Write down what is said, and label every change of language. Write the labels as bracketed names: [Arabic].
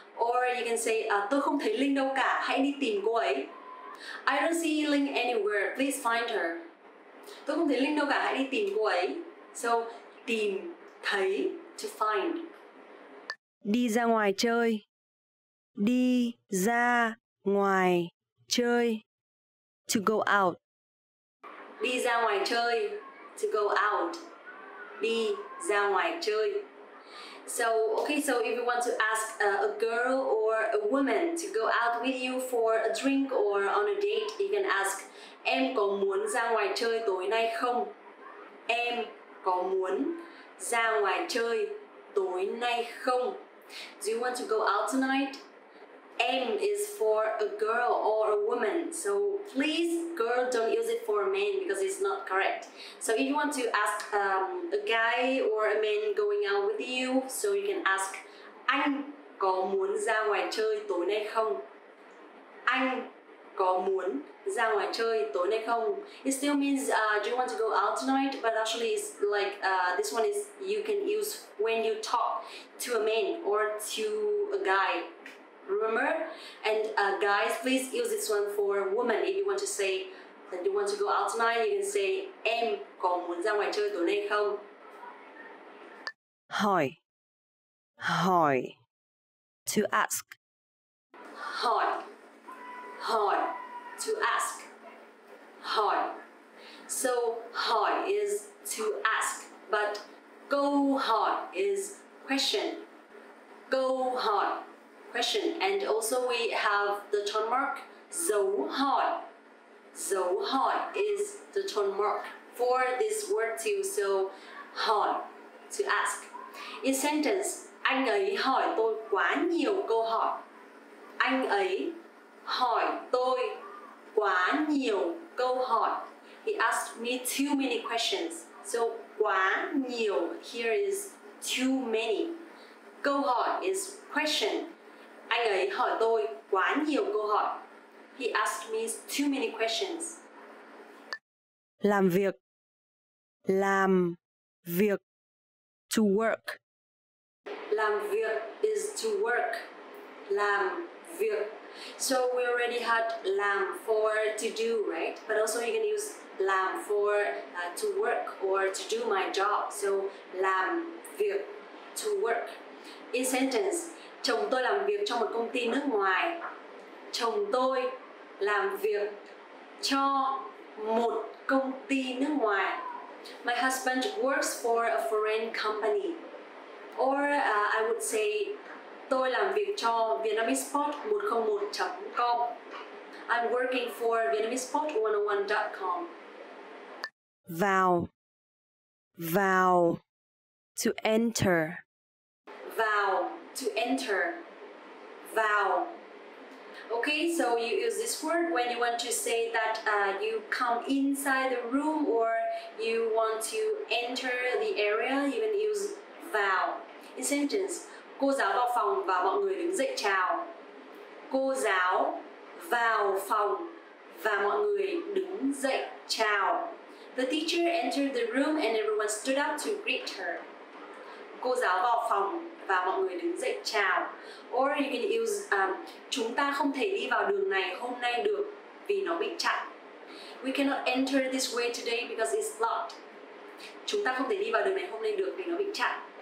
[English] Or you can say, [Vietnamese] tôi không thấy Linh đâu cả, hãy đi tìm cô ấy. [English] I don't see Linh anywhere, please find her. [Vietnamese] Tôi không thấy Linh đâu cả, hãy đi tìm cô ấy. [English] So, [Vietnamese] tìm thấy, [English] to find. [Vietnamese] Đi ra ngoài chơi. Đi ra ngoài chơi. [English] To go out. [Vietnamese] Đi ra ngoài chơi. [English] To go out. [Vietnamese] Đi ra ngoài chơi. [English] So, okay, so if you want to ask a girl or a woman to go out with you for a drink or on a date, you can ask, [Vietnamese] em có muốn ra ngoài chơi tối nay không? Em có muốn ra ngoài chơi tối nay không? [English] Do you want to go out tonight? Em is for a girl or a woman. So please, girl, don't use it for a man because it's not correct. So if you want to ask a guy or a man going out with you, so you can ask, [Vietnamese] anh có muốn ra ngoài chơi tối nay không? Anh có muốn ra ngoài chơi tối nay không? [English] It still means, do you want to go out tonight? But actually, it's like, this one is you can use when you talk to a man or to a guy. Remember? And guys, please use this one for women. If you want to say that you want to go out tonight, you can say [Vietnamese] em có muốn ra ngoài chơi tối nay không? Hỏi. Hỏi. [English] To ask. [Vietnamese] Hỏi. Hỏi. [English] To ask. [Vietnamese] Hỏi. [English] So hỏi is to ask, but câu hỏi is question. Câu hỏi. Question, and also we have the tone mark dấu hỏi. Dấu hỏi is the tone mark for this word too, so hỏi, to ask. In sentence, [Vietnamese] anh ấy hỏi tôi quá nhiều câu hỏi. Anh ấy hỏi tôi quá nhiều câu hỏi. [English] He asked me too many questions. So quá nhiều here is too many. [Vietnamese] Câu hỏi [English] is question. [Vietnamese] Anh ấy hỏi tôi quá nhiều câu hỏi. [English] He asked me too many questions. [Vietnamese] Làm việc. Làm việc. [English] To work. [Vietnamese] Làm việc [English] is to work. [Vietnamese] Làm việc. [English] So we already had làm for to do, right? But also you can use làm for to work or to do my job. So làm việc. To work. In sentence, [Vietnamese] chồng tôi làm việc cho một công ty nước ngoài. Chồng tôi làm việc cho một công ty nước ngoài. [English] My husband works for a foreign company. Or I would say, [Vietnamese] tôi làm việc cho Vietnamesepod101.com. [English] I'm working for Vietnamesepod101.com. [Vietnamese] Vào. Vào. [English] To enter. [Vietnamese] Vào. [English] To enter, [Vietnamese] vào. [English] Okay, so you use this word when you want to say that you come inside the room or you want to enter the area, you can use vào. In sentence, [Vietnamese] cô giáo vào phòng và mọi người đứng dậy chào. Cô giáo vào phòng và mọi người đứng dậy chào. [English] The teacher entered the room and everyone stood up to greet her. [Vietnamese] Cô giáo vào phòng và mọi người đứng dậy chào. [English] Or you can use [Vietnamese] chúng ta không thể đi vào đường này hôm nay được vì nó bị chặn. [English] We cannot enter this way today because it's locked. [Vietnamese] Chúng ta không thể đi vào đường này hôm nay được vì nó bị chặn.